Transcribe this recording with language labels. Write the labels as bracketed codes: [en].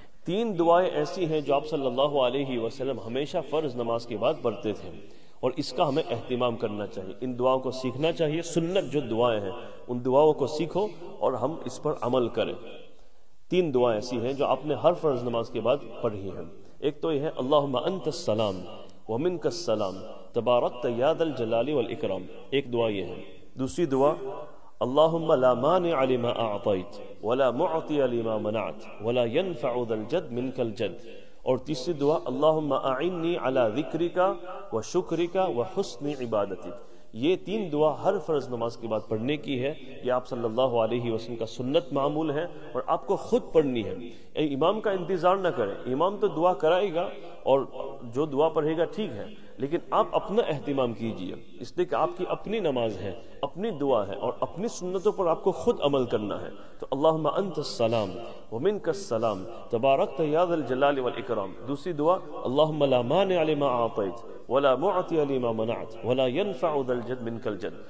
[ur] 3 دعائیں ایسی ہیں جو آپ صلی اللہ علیہ وسلم ہمیشہ فرض نماز کے بعد پڑھتے تھے, اور اس کا ہمیں اہتمام کرنا چاہیے, ان دعاؤں کو سیکھنا چاہیے. سنت جو دعائیں ہیں ان دعاؤں کو سیکھو اور ہم اس پر عمل کریں. 3 دعائیں ایسی ہیں جو آپ نے ہر فرض نماز کے بعد پڑھی ہیں. ایک تو یہ ہے [ar] اللہم انت السلام ومنک السلام تبارکت یا ذا الجلال والاکرام, [ur] ایک دعا یہ ہے. دوسری دعا [ar] اللہم لا مانع لما اعطیت ولا معطی لما منعت ولا ينفع ذا الجد منک الجد. [ur] اور تیسری دعا [ar] اللہم اعنی علی ذکرک وشکرک وحسن عبادتک. [ur] یہ 3 دعا ہر فرض نماز کے بعد پڑھنے کی ہے. یہ آپ صلی اللہ علیہ وسلم کا سنت معمول ہے اور آپ کو خود پڑھنی ہے. اے امام کا انتظار نہ کریں, امام تو دعا کرائے گا اور جو دعا پڑھے گا ٹھیک ہے, لیکن آپ اپنا اہتمام کیجئے, اس لیے کہ آپ کی اپنی نماز ہے, اپنی دعا ہے, اور اپنی سنتوں پر آپ کو خود عمل کرنا ہے. تو [ar] اللہم انت السلام ومنک السلام تبارکت یا ذا الجلال والاکرام. [ur] دوسری دعا [ar] اللہم لا مانع لما اعطیت ولا معطی لما منعت ولا ينفع ذا الجد منک الجد.